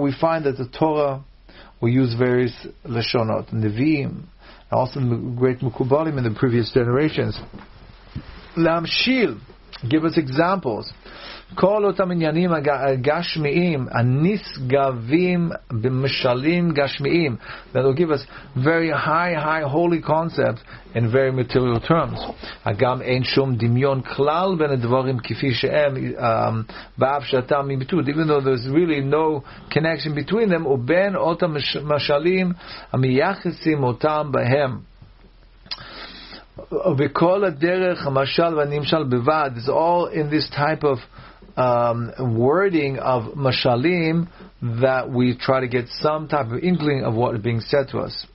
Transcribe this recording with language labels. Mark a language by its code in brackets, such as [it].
[en] we find that the Torah, we use various Lashonot, Nevi'im, also the great Mekubalim in the previous generations. [he] Lamshil, [en] give us examples. [he] כל אותם עניינים הגשמיים הנשגבים במשלים גשמיים, [en] that will give us very high holy concepts in very material terms. [he] אגם אין שום דמיון כלל בין הדברים כפי שהם בהפשטה מביטות, [en] even though there's really no connection between them, [he] ובין אותם משלים המייחסים אותם בהם. וכל הדרך המשל והנמשל בבד, [en] it's all in this type of wording of mashalim that we try to get some type of inkling of what is being said to us.